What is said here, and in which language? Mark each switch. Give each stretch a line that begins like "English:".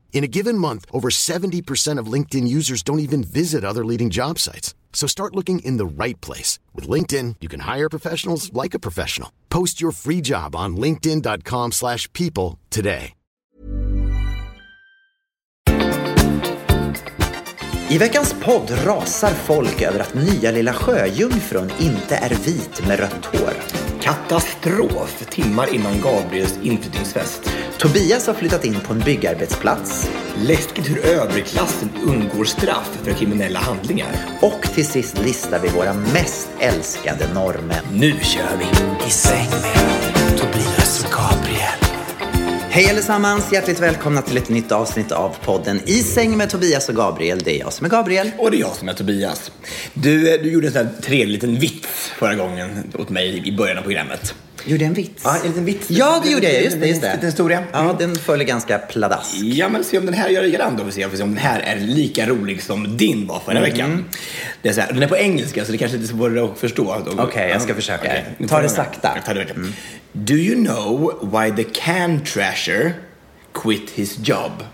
English: In a given month, over 70% of LinkedIn users don't even visit other leading job sites. So start looking in the right place. With LinkedIn, you can hire professionals like a professional. Post your free job on linkedin.com/people today.
Swedish: I veckans podd rasar folk över att nya lilla sjöjungfrun inte är vit med rött hår. Katastrof timmar innan Gabriels inflyttningsfest. Tobias har flyttat in på en byggarbetsplats. Läskigt hur överklassen undgår straff för kriminella handlingar. Och till sist listar vi våra mest älskade normer. Nu kör vi i säng med Tobias och Gabriel. Hej allesammans, hjärtligt välkomna till ett nytt avsnitt av podden I säng med Tobias och Gabriel. Det är jag som är Gabriel. Och det är jag som är Tobias. Du gjorde en sån här trevlig liten vits förra gången åt mig i början av programmet. Gjorde en vits? Ja, en liten vits. Ja, det gjorde jag, just det. En liten historia. Ja, den följer ganska pladask. Ja, men se om den här gör det igen då. Vi får se om den här är lika rolig som din var förra veckan. Det är så här, den är på engelska så det kanske inte är svårare att förstå. Okej, jag ska försöka. Okay. Ta det sakta. Ta det verkligen.
English: Do you know why the can trasher quit his job?